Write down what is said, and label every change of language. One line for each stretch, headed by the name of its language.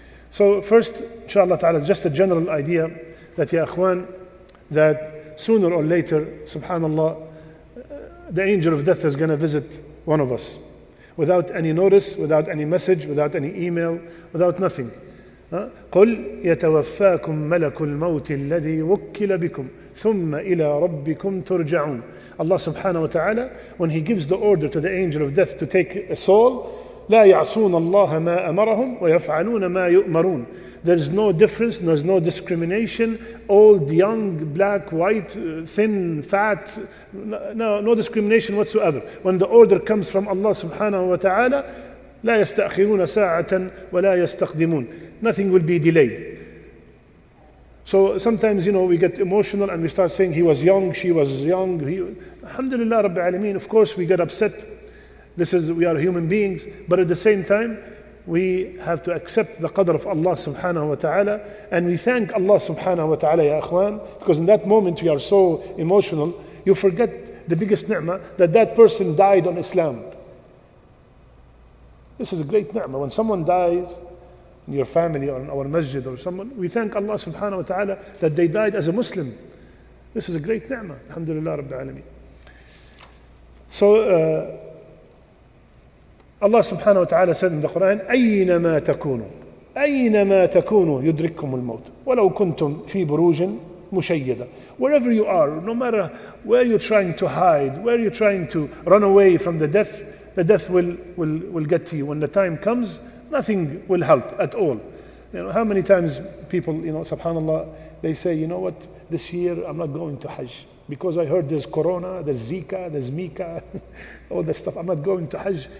English: So first, inshallah ta'ala, just a general idea that, ya akhwan, that sooner or later, subhanallah, the angel of death is going to visit one of us without any notice, without any message, without any email, without nothing.
Arabic: قل يتوفاكم ملك الموت الذي وكل بكم ثم إلى ربكم ترجعون. الله سبحانه وتعالى,
English: when he gives the order to the angel of death to take a soul,
Arabic: لا يعصون الله ما أمرهم ويفعلون ما يؤمرون.
English: There is no difference, there is no discrimination. Old, young, black, white, thin, fat, no discrimination whatsoever. When the order comes from Allah subhanahu wa ta'ala,
Arabic: لا يستأخرون ساعة ولا يستقدمون.
English: Nothing will be delayed. So sometimes, you know, we get emotional and we start saying, he was young, she was young.
Arabic: Alhamdulillah, Rabbi Alameen.
English: Of course, we get upset. This is, we are human beings. But at the same time, we have to accept the qadr of Allah subhanahu wa ta'ala. And we thank Allah subhanahu wa ta'ala, ya akhwan. Because in that moment, we are so emotional. You forget the biggest ni'mah, that person died on Islam. This is a great ni'mah. When someone dies in your family or in our masjid or someone, we thank Allah subhanahu wa ta'ala that they died as a Muslim. This is a great ni'mah.
Arabic: Alhamdulillah, Rabbil Alameen.
English: So, Allah subhanahu wa ta'ala said in the Quran,
Arabic: أَيْنَمَا تَكُونُوا أَيْنَمَا تَكُونُوا يُدْرِكُّمُ الْمَوْتِ وَلَوْ كُنْتُمْ فِي بُرُوجٍ مُشَيَّدًا.
English: Wherever you are, no matter where you're trying to hide, where you're trying to run away from the death, the death will get to you. When the time comes, nothing will help at all. You know, how many times people, you know, subhanAllah, they say, you know what, this year I'm not going to Hajj because I heard there's Corona, there's Zika, there's Mika, all this stuff. I'm not going to Hajj.